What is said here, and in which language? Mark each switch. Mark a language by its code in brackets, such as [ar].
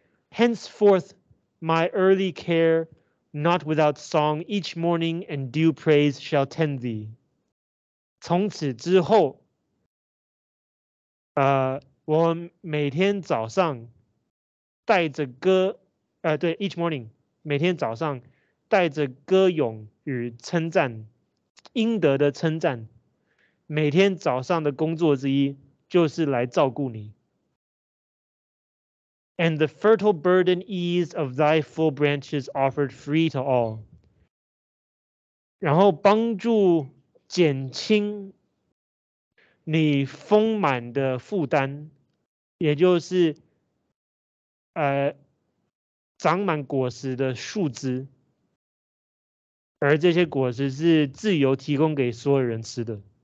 [en] Henceforth my early care,Not without song, each morning and due praise shall tend thee. [zh] 从此之后，我每天早上带着歌，对 ，each morning 每天早上带着歌咏与称赞，应得的称赞，每天早上的工作之一就是来照顾你。 [en] And the fertile burden ease of thy full branches offered free to all. [zh] 然后帮助减轻你丰满的负担，也就是长满果实的树枝，而这些果实是自由提供给所有人吃的。